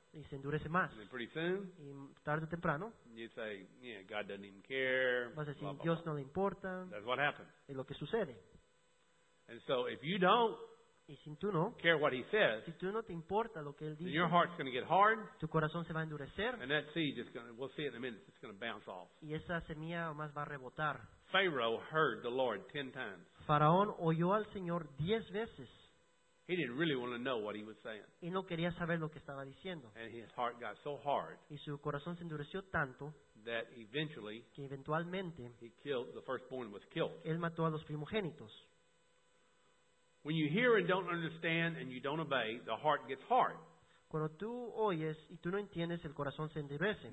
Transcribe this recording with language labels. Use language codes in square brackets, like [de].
[es] Y se endurece más. [en] And then pretty soon, [es] y tarde o temprano, [en] you say, yeah, God doesn't even care. [es] Vas a decir, blah, blah, Dios blah. No le importa. [en] That's what happens. [es] Es lo que sucede. [en] And so if you don't [es] y si tú no, [en] care what he says, [es] si tú no te importa lo que él dice, [en] then your heart's going to get hard. [es] Tu corazón se va a endurecer. [en] And that seed is going to, we'll see it in a minute, it's going to bounce off. [es] Y esa semilla más va a rebotar. [en] Pharaoh heard the Lord 10 times. [es] Faraón oyó al Señor 10 veces. [en] He didn't really want to know what he was saying. [es] Y no quería saber lo que estaba diciendo. [en] And his heart got so hard. [es] Y su corazón se endureció tanto. [en] That eventually. [es] Que eventualmente. [en] He killed the firstborn. Was killed. [es] Él mató a los primogénitos. [en] When you hear and don't understand and you don't obey, the heart gets hard. [es] Cuando tú oyes y tú no entiendes, el corazón se endurece.